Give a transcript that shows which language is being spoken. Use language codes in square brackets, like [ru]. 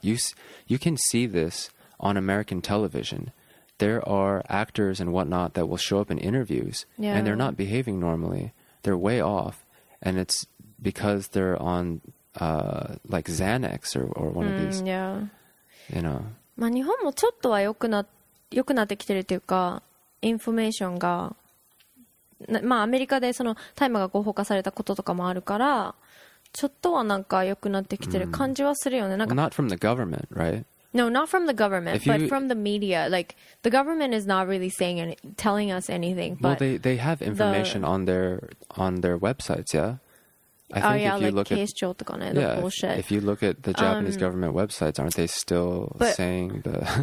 [en] You can see this on American television. There are actors and whatnot that will show up in interviews. Yeah. And they're not behaving normally. They're way off. And it's because they're on like Xanax or one of these. Yeah. You know. [ja] まあ日本もちょっとは良くなってきてるというか、インフォメーションが。まあ、アメリカでその大麻が合法化されたこととかもあるから、ちょっとはなんか良くなってきてる感じはするよね。なんか、 [en] well, not from the government, right? No, not from the government, but from the media. Like, the government is not really saying any, telling us anything. But well, they have information on their websites, yeah? I think if you look at 警視庁とかね、the bullshit. If you look at the Japanese government websites, aren't they still saying the...